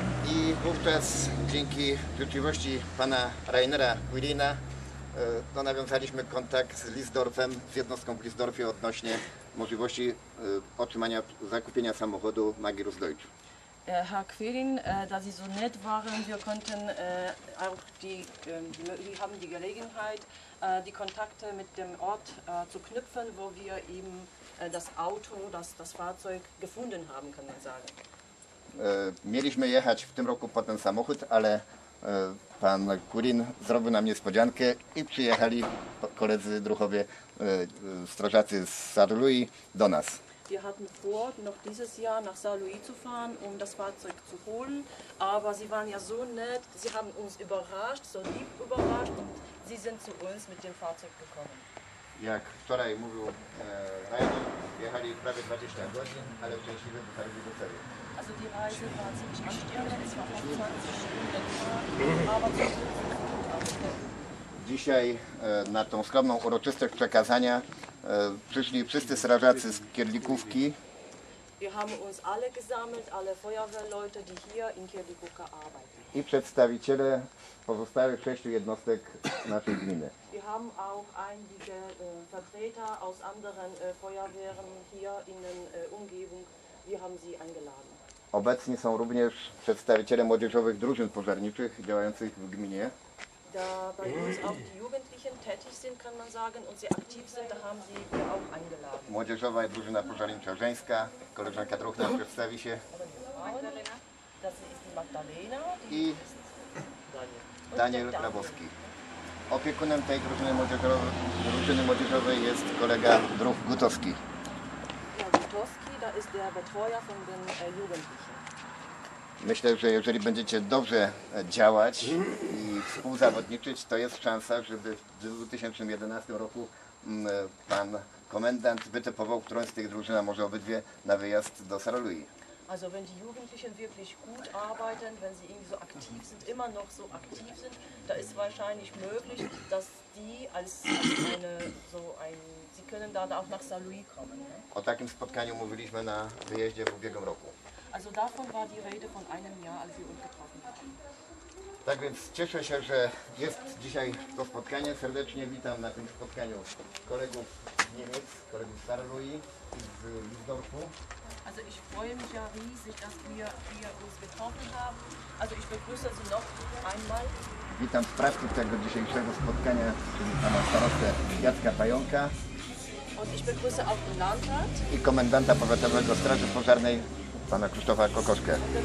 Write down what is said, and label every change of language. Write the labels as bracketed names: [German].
[Polish] I wówczas dzięki życzliwości pana Rainera Quirina to nawiązaliśmy kontakt z Lisdorfem, z jednostką w Lisdorfie odnośnie możliwości otrzymania, zakupienia samochodu Magirus Deutsch. [German] Herr Quirin, da Sie so nett waren, wir konnten auch wir haben die Gelegenheit, die Kontakte mit dem Ort zu knüpfen, wo wir eben das Auto, das Fahrzeug gefunden haben, kann man sagen. [Polish] Mieliśmy jechać w tym roku po ten samochód, ale pan Quirin zrobił nam niespodziankę i przyjechali koledzy druhowie, strażacy z Sarlui do nas. [German] Wir hatten vor, noch dieses Jahr nach Sarlui zu fahren, um das Fahrzeug zu holen, aber sie waren ja so nett, sie haben uns überrascht, so lieb überrascht und sie sind zu uns mit dem Fahrzeug gekommen. [Polish] Jak wczoraj mówił Rainer, jechali prawie 20 godzin, ale szczęśliwie dotarli do celu. [German] Also die Reise war ziemlich anstrengend, es war 20 Stunden, aber zu [Polish] dzisiaj na tą skromną uroczystość przekazania przyszli wszyscy strażacy z Kierlikówki. [German] Wir haben uns alle gesammelt, alle Feuerwehrleute, die hier in Kierlikówka arbeiten. [Polish] I przedstawiciele pozostałych 6 jednostek naszej gminy. [German] Wir haben auch einige Vertreter aus anderen Feuerwehren hier in der Umgebung. Wir haben sie eingeladen. [Polish] Obecni są również przedstawiciele młodzieżowych drużyn pożarniczych działających w gminie. [German] Da bei uns auch die Jugendlichen tätig sind, kann man sagen, und sie aktiv sind, da haben sie wir auch eingeladen. [Polish] Młodzieżowa drużyna pożarnicza żeńska, koleżanka Druchna przedstawi się. Magdalena. [German] Das ist Magdalena. [Polish] I Daniel Grabowski. Opiekunem tej drużyny młodzieżowej jest kolega Druch Gutowski. [German] Ja, Gutowski, da ist der Betreuer von den Jugendlichen. [Polish] Myślę, że jeżeli będziecie dobrze działać i współzawodniczyć, to jest szansa, żeby w 2011 roku pan komendant wytypował którąś z tych drużyn, a może obydwie, na wyjazd do Sarlui. [German] Also wenn die Jugendlichen wirklich gut arbeiten, wenn sie irgendwie so aktiv sind, immer noch so aktiv sind, da ist wahrscheinlich möglich, dass die sie können dann auch nach Sarlui kommen. Ne? [Polish] O takim spotkaniu mówiliśmy na wyjeździe w ubiegłym roku. [German] Also davon war die Rede von einem Jahr, als wir uns getroffen haben. [Polish] Tak więc cieszę się, że jest dzisiaj to spotkanie. Serdecznie witam na tym spotkaniu kolegów z Niemiec, kolegów z Sarlui i z Lisdorfu. [German] Also ich freue mich ja riesig, dass wir uns getroffen haben. Also ich begrüße Sie noch einmal. [Polish] Witam sprawców tego dzisiejszego spotkania, czyli pana starostę Jacka Pająka. [German] Und ich begrüße auch den Landrat. [Polish] I komendanta powiatowego Straży Pożarnej, pana Krzysztofa Kokoszkę.